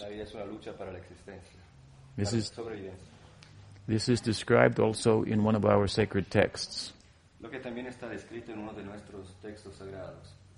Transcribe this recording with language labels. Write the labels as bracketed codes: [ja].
[es] La vida es una lucha para la existencia. [en] This is described also in one of our sacred texts. [es] Lo que también está descrito en uno de nuestros textos sagrados.